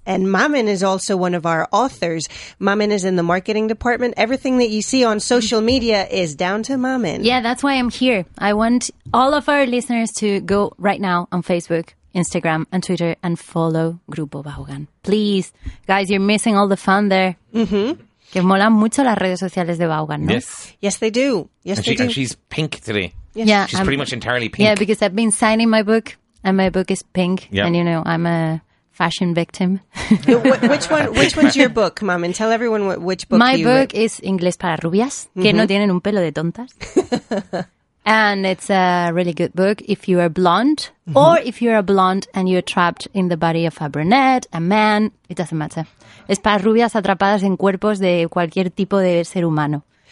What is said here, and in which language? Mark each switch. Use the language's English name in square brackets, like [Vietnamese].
[English] And Mamin is also one of our authors. Mamin is in the marketing department. Everything that you see on social media is down to Mamin. Yeah, that's why I'm here. I want all of our listeners to go right now on Facebook, Instagram, and Twitter and follow Grupo Bahugan. Please, guys, you're missing all the fun there. Mm-hmm. [Spanish] Que molan mucho las redes sociales de Bahugan, ¿no? [English] Yes. Yes, they do. Yes, they do. And she's pink today. Yes. Yeah. She's pretty much entirely pink. Yeah, because I've been signing my book, and my book is pink. Yep. And, you know, I'm a fashion victim. which one's your book, Mom? And tell everyone which book. My book is Inglés para Rubias, mm-hmm. [Spanish] que no tienen un pelo de tontas. [English] And it's a really good book if you are blonde, mm-hmm. or if you're a blonde and you're trapped in the body of a brunette, a man, it doesn't matter. [Spanish] Es para rubias atrapadas en cuerpos de cualquier tipo de ser humano.